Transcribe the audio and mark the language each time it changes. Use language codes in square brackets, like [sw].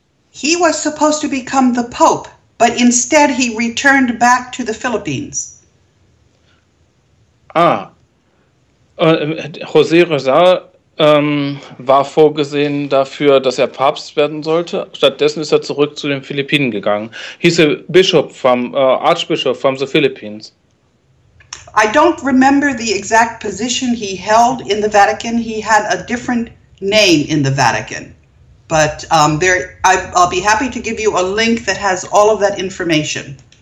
[en] He was supposed to become the Pope, but instead he returned back to the Philippines. [de] José Rezar war vorgesehen dafür, dass er Papst werden sollte. Stattdessen ist er zurück zu den Philippinen gegangen. [en] He's a bishop from Archbishop from the Philippines. I don't remember the exact position he held in the Vatican. He had a different name in the Vatican. But I'll be happy to give you a link that has all of that information.